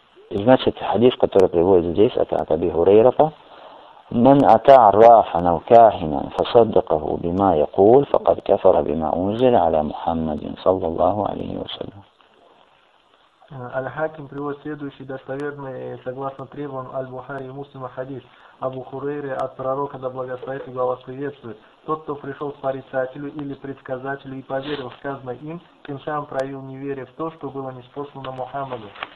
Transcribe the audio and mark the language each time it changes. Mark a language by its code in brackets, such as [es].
[ru] И значит, хадис, который приводит здесь, это от Аби Хурейрата. [ar] من أتى عرافا أو كاهنا فصدقه بما يقول فقد كفر بما أنزل على محمد صلى الله عليه وسلم. [ru] Аль-Хаким приводит следующий достоверный, согласно требованиям Аль-Бухари и Муслима, хадис Абу Хурейры от пророка, да благословит и благословествует. Тот, кто пришел к порицателю или предсказателю и поверил в сказанное им, тем самым проявил неверие в то, что было ниспослано Мухаммаду.